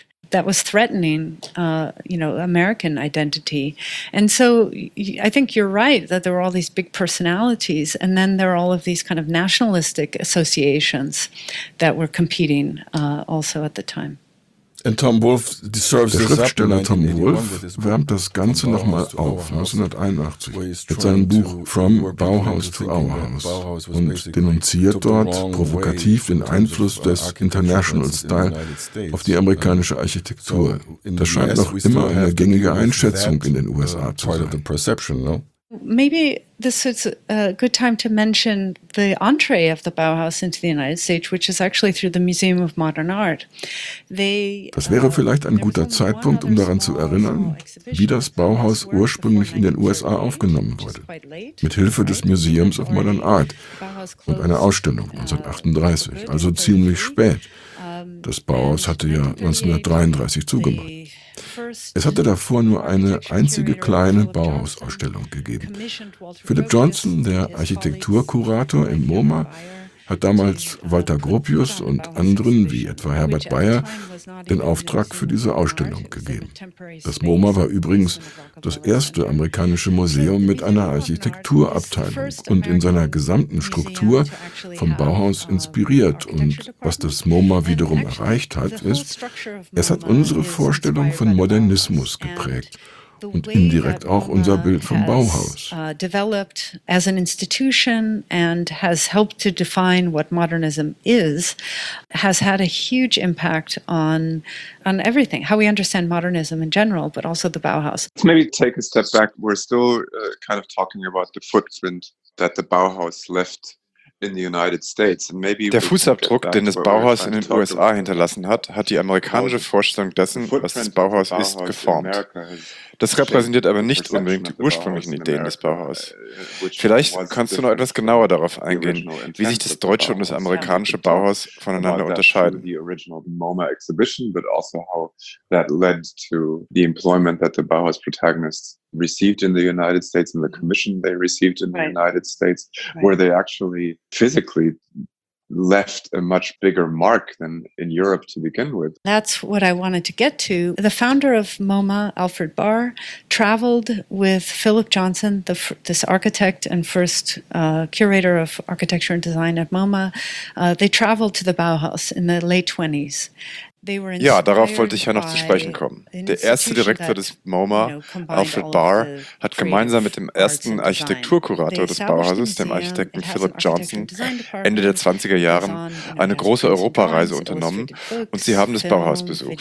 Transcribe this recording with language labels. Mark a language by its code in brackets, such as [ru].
[en] That was threatening, you know, American identity. And so I think you're right that there were all these big personalities, and then there are all of these kind of nationalistic associations that were competing also at the time. And Tom Wolfe deserves [de] der Schriftsteller Tom Wolfe wärmt das Ganze nochmal auf, 1981, mit seinem Buch From Bauhaus to Our House und denunziert dort provokativ den Einfluss des International Style auf die amerikanische Architektur. Das scheint noch immer eine gängige Einschätzung in den USA zu sein. [en] Maybe this is a good time to mention the entree of the Bauhaus into the United States, which is actually through the Museum of Modern Art. [de] Das wäre vielleicht ein guter Zeitpunkt, um daran zu erinnern, wie das Bauhaus ursprünglich in den USA aufgenommen wurde, mit Hilfe des Museums of Modern Art und einer Ausstellung 1938, also ziemlich spät. Das Bauhaus hatte ja 1933 zugemacht. Es hatte davor nur eine einzige kleine Bauhausausstellung gegeben. Philip Johnson, der Architekturkurator im MoMA, hat damals Walter Gropius und anderen, wie etwa Herbert Bayer, den Auftrag für diese Ausstellung gegeben. Das MoMA war übrigens das erste amerikanische Museum mit einer Architekturabteilung und in seiner gesamten Struktur vom Bauhaus inspiriert. Und was das MoMA wiederum erreicht hat, ist, es hat unsere Vorstellung von Modernismus geprägt. Und indirekt auch unser Bild vom Bauhaus. [en] Developed as an institution and has helped to define what modernism is, has had a huge impact on everything, how we understand modernism in general, but also the Bauhaus. Let's maybe take a step back. We're still kind of talking about the footprint that the Bauhaus left in the United States. And maybe [de] der Fußabdruck, den das Bauhaus in den USA hinterlassen hat, hat die amerikanische Vorstellung dessen, was das Bauhaus ist, geformt. Das repräsentiert aber nicht unbedingt die ursprünglichen Ideen des Bauhaus. Vielleicht kannst du noch etwas genauer darauf eingehen, wie sich das deutsche und das amerikanische Bauhaus voneinander unterscheiden. [en] The original MoMA exhibition, but also how that led to the employment that the Bauhaus protagonists received in the United States and the commission they received in the United States, where they actually physically left a much bigger mark than in Europe to begin with. That's what I wanted to get to. The founder of MoMA, Alfred Barr, traveled with Philip Johnson, this architect and first curator of architecture and design at MoMA. They traveled to the Bauhaus in the late 20s. [de] Ja, darauf wollte ich ja noch zu sprechen kommen. Der erste Direktor des MoMA, Alfred Barr, hat gemeinsam mit dem ersten Architekturkurator des Bauhauses, dem Architekten Philip Johnson, Ende der 20er Jahre eine große Europareise unternommen und sie haben das Bauhaus besucht.